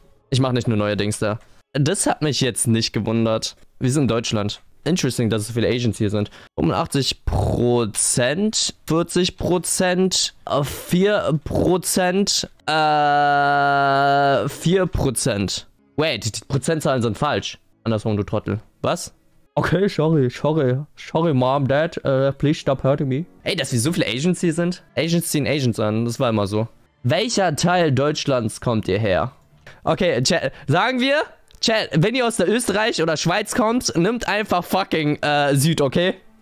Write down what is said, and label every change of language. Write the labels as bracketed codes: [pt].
[de] Ich mach nicht nur neue Dings da. Das hat mich jetzt nicht gewundert. Wir sind in Deutschland. Interesting, dass es so viele Asians hier sind. 85%, 40%, 4%, 4%. Wait, die Prozentzahlen sind falsch. Andersrum, du Trottel. Was? [en] Okay, sorry, Mom, Dad, please stop hurting me. [de] Ey, dass wir so viele Asians hier sind? Asians ziehen Asians an, das war immer so. Welcher Teil Deutschlands kommt ihr her? Okay, Chat, sagen wir, Chat, wenn ihr aus der Österreich oder Schweiz kommt, nimmt einfach fucking Süd, okay?